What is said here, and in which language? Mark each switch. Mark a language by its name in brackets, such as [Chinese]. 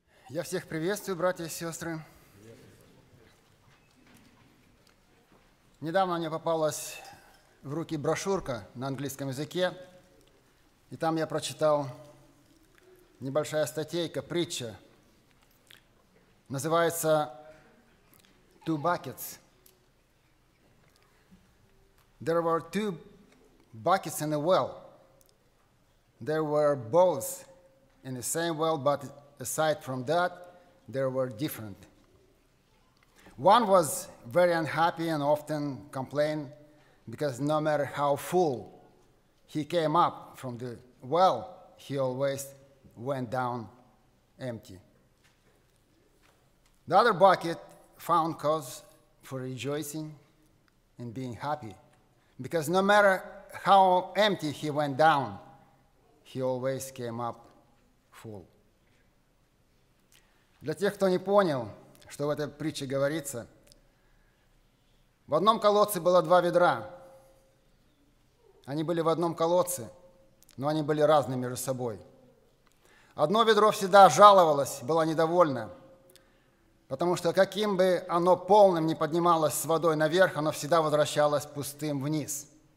[Russian] Я всех приветствую, братья и сестры. Недавно мне попалась в руки брошюрка на английском языке, и там я прочитал небольшая статейка, притча. Называется [English] «Two buckets». There were two buckets in a well. There were both in the same well, but aside from that, they were different. One was very unhappy and often complained because no matter how full he came up from the well, he always went down empty. The other bucket found cause for rejoicing and being happy because no matter how empty he went down, he always came up full. [Russian] Для тех, кто не понял, что в этой притче говорится, в одном колодце было два ведра. Они были в одном колодце, но они были разные между собой. Одно ведро всегда жаловалось, было недовольно, потому что каким бы оно полным ни поднималось с водой наверх, оно всегда возвращалось пустым вниз.